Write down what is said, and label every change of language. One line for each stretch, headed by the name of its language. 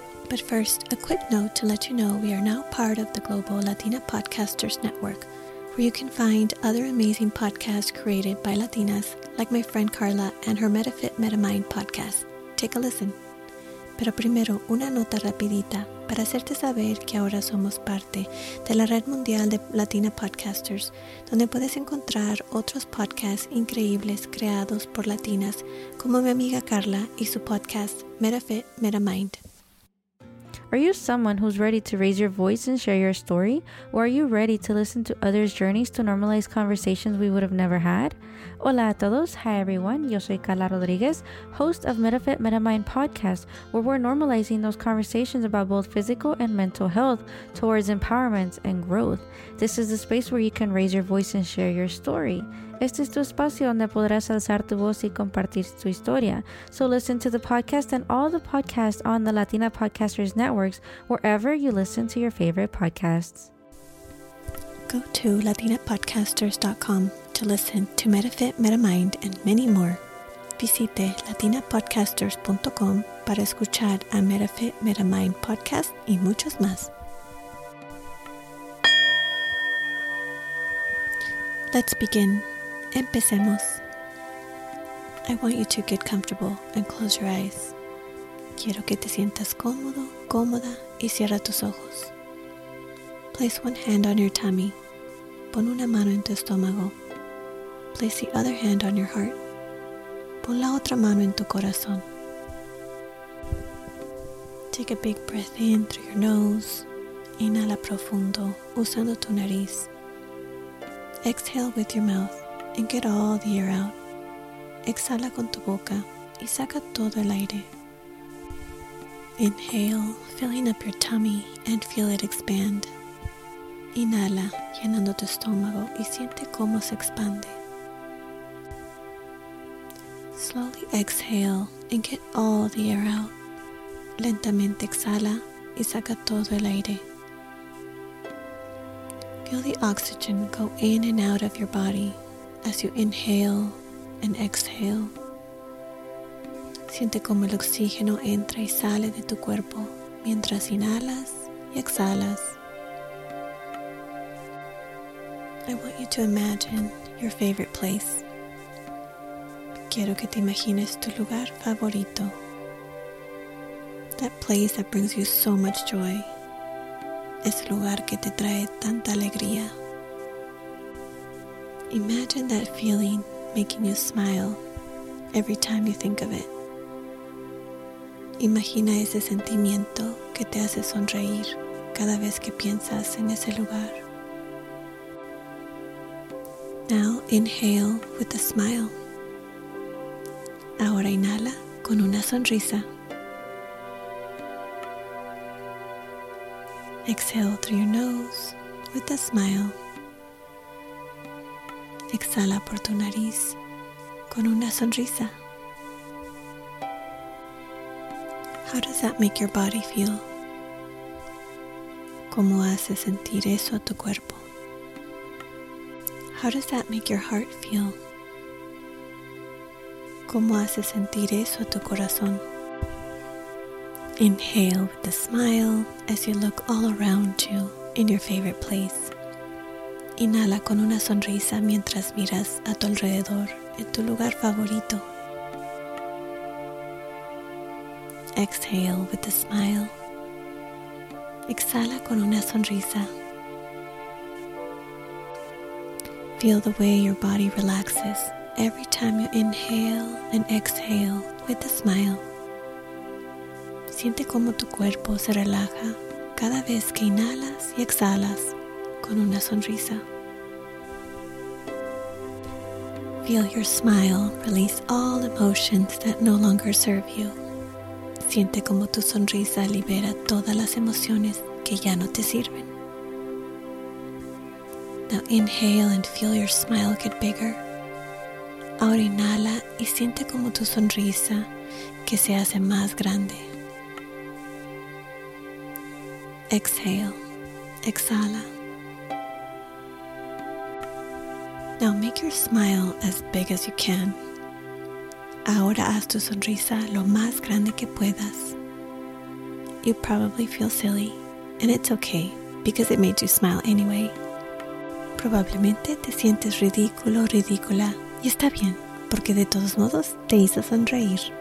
English: But first, a quick note to let you know we are now part of the Global Latina Podcasters Network, where you can find other amazing podcasts created by Latinas, like my friend Carla and her MetaFit MetaMind podcast. Take a listen.
Spanish: Pero primero, una nota rapidita para hacerte saber que ahora somos parte de la red mundial de Latina Podcasters, donde puedes encontrar otros podcasts increíbles creados por latinas, como mi amiga Carla y su podcast MetaFit MetaMind.
English: Are you someone who's ready to raise your voice and share your story? Or are you ready to listen to others' journeys to normalize conversations we would have never had?
Spanish: Hola a todos.
English: Hi, everyone.
Spanish: Yo soy
English: Carla Rodriguez, host of MetaFit MetaMind podcast, where we're normalizing those conversations about both physical and mental health towards empowerment and growth. This is the space where you can raise your voice and share your story.
Spanish: Este es tu espacio donde podrás alzar tu voz y compartir tu historia.
English: So listen to the podcast and all the podcasts on the Latina Podcasters Networks wherever you listen to your favorite podcasts. Go to latinapodcasters.com to listen to MetaFit, MetaMind, and many more.
Spanish: Visite latinapodcasters.com para escuchar a MetaFit, MetaMind podcast y muchos más.
English: Let's begin.
Spanish: Empecemos.
English: I want you to get comfortable and close your eyes. Quiero que te sientas cómodo, cómoda y cierra tus ojos. Place one hand on your tummy.
Spanish: Pon una mano en tu estómago.
English: Place the other hand on your heart.
Spanish: Pon la otra mano en tu corazón.
English: Take a big breath in through your nose.
Spanish: Inhala profundo usando tu nariz.
English: Exhale with your mouth. And get all the air out.
Spanish: Exhala con tu boca y saca todo el aire.
English: Inhale, filling up your tummy and feel it expand.
Spanish: Inhala, llenando tu estómago y siente cómo se expande.
English: Slowly exhale and get all the air out.
Spanish: Lentamente exhala y saca todo el aire.
English: Feel the oxygen go in and out of your body. As you inhale and exhale,
Spanish: siente como el oxígeno entra y sale de tu cuerpo mientras inhalas y exhalas.
English: I want you to imagine your favorite place.
Spanish: Quiero que te imagines tu lugar favorito.
English: That place that brings you so much joy.
Spanish: Ese lugar que te trae tanta alegría.
English: Imagine that feeling making you smile every time you think of it.
Spanish: Imagina ese sentimiento que te hace sonreír cada vez que piensas en ese lugar.
English: Now inhale with a smile.
Spanish: Ahora inhala con una sonrisa.
English: Exhale through your nose with a smile.
Spanish: Exhala por tu nariz con una sonrisa.
English: How does that make your body feel?
Spanish: ¿Cómo hace sentir eso a tu cuerpo?
English: How does that make your heart feel?
Spanish: ¿Cómo hace sentir eso a tu corazón?
English: Inhale with a smile as you look all around you in your favorite place.
Spanish: Inhala con una sonrisa mientras miras a tu alrededor, en tu lugar favorito.
English: Exhale with a smile.
Spanish: Exhala con una sonrisa.
English: Feel the way your body relaxes every time you inhale and exhale with a smile.
Spanish: Siente cómo tu cuerpo se relaja cada vez que inhalas y exhalas con una sonrisa.
English: Feel your smile release all emotions that no longer serve you.
Spanish: Siente como tu sonrisa libera todas las emociones que ya no te sirven.
English: Now inhale and feel your smile get bigger.
Spanish: Ahora inhala y siente como tu sonrisa que se hace más grande.
English: Exhale.
Spanish: Exhala.
English: Now make your smile as big as you can.
Spanish: Ahora haz tu sonrisa lo más grande que puedas.
English: You probably feel silly, and it's okay, because it made you smile anyway.
Spanish: Probablemente te sientes ridículo, ridícula, y está bien, porque de todos modos te hizo sonreír.